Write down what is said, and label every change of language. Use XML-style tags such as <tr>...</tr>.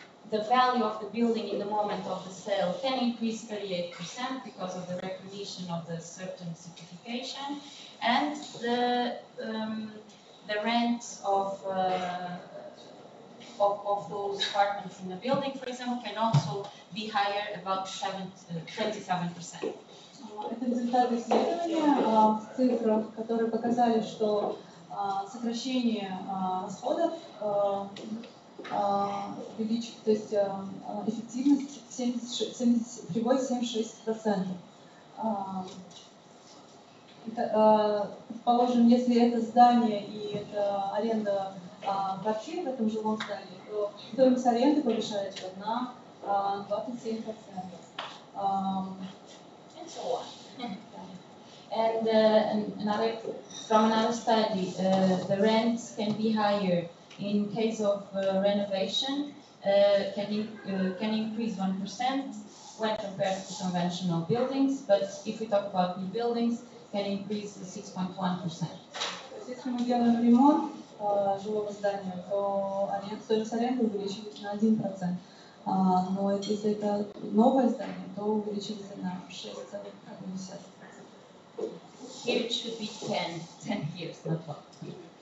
<en>The value of the building in the moment of the sale can increase 38% because of the recognition of the certain certification, and the rent of those apartments in the building, for example, can also be higher about 27%.</en> <ru>Это результаты исследования в цифрах, которые показали, что сокращение расходов увеличит, то есть эффективность приводит 76%. Положим, если это здание и это аренда квартиры в этом жилом здании, то стоимость аренды повышается на 27%,</ru> <en>and so on. And, another, from another study, the rents can be higher in case of renovation, can increase 1% when compared to conventional buildings, but if we talk about new buildings, can increase 6.1%.</en> <ru>Если мы делаем ремонт жилого здания, то стоимость аренды увеличивается на 1%. Но если это новое здание, то увеличивается на 6,5%.</ru> <en>Here it should be 10 years, not 1.</en>